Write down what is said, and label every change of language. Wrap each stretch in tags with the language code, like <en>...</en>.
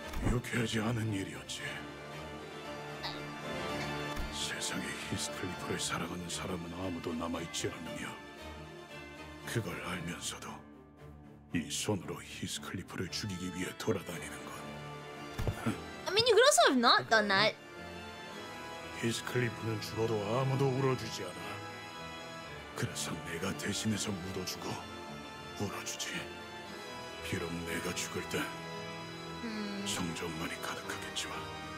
<ko>유쾌하지 않은 일이었지. 세상에 히스클리프를 사랑하는 사람은 아무도 남아있지 않느냐. 그걸 알면서도 이 손으로 히스클리프를 죽이기 위해 돌아다니는 건.</ko> <en>I mean, you could also have not done that.</en> <ko>히스클리프는 죽어도 아무도 울어주지 않아. 그래서 내가 대신해서 묻어주고 울어주지. 비록 내가 죽을 때 성적만이 가득하겠지만.</ko>